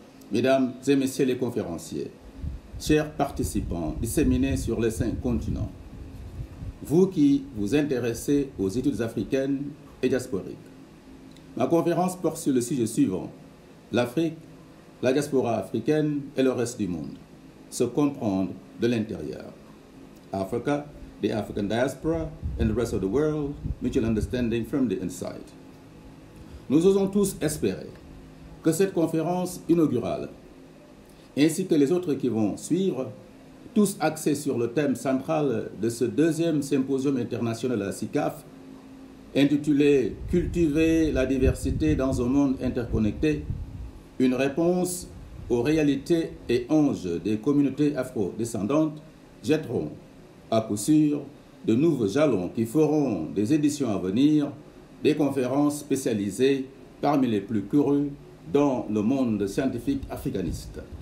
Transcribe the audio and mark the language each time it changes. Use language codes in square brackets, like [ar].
[fr] Mesdames et messieurs les conférenciers, chers participants disséminés sur les cinq continents, vous qui vous intéressez aux études africaines et diasporiques, ma conférence porte sur le sujet suivant: l'Afrique, la diaspora africaine et le reste du monde, se comprendre de l'intérieur. [en] Africa, the African diaspora and the rest of the world, mutual understanding from the inside. [fr] Nous osons tous espérer que cette conférence inaugurale, ainsi que les autres qui vont suivre, tous axés sur le thème central de ce deuxième symposium international à SICAF, intitulé « Cultiver la diversité dans un monde interconnecté, une réponse aux réalités et enjeux des communautés afro-descendantes », jetteront à coup sûr de nouveaux jalons qui feront des éditions à venir des conférences spécialisées parmi les plus courues dans le monde scientifique africaniste.